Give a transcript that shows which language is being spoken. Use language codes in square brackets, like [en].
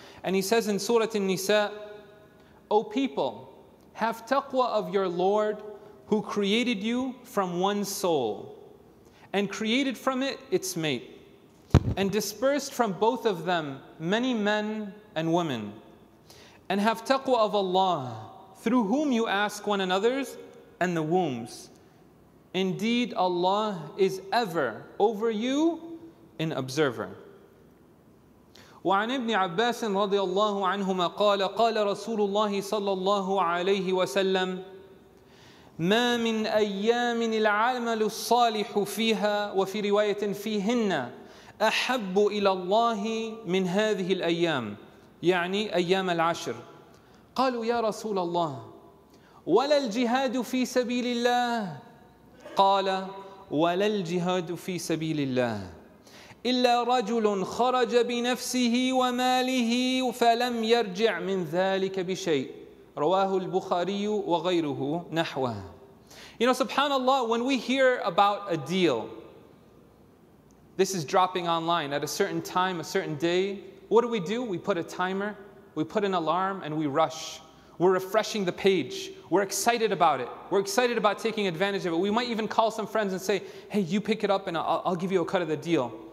[en] And He says in Surah An-Nisa, O people, have taqwa of your Lord who created you from one soul and created from it its mate, and dispersed from both of them many men and women. And have taqwa of Allah, through whom you ask one another's and the wombs. Indeed, Allah is ever over you an observer. [ar] وعن ابن عباس رضي الله عنهما قال: قال رسول الله صلى الله عليه وسلم: ما من أيام العمل الصالح فيها، وفي رواية فيهن، أحب إلى الله من هذه الأيام، يعني أيام العشر. قالوا: يا رسول الله، ولا الجهاد في سبيل الله؟ قال: ولا الجهاد في سبيل الله إلا رجل خرج بنفسه وماله فلم يرجع من ذلك بشيء. رواه البخاري وغيره نحوه. [en] You know, subhanAllah, when we hear about a deal, this is dropping online at a certain time, a certain day, what do? We put a timer, we put an alarm, and we rush. We're refreshing the page. We're excited about it. We're excited about taking advantage of it. We might even call some friends and say, hey, you pick it up and I'll give you a cut of the deal.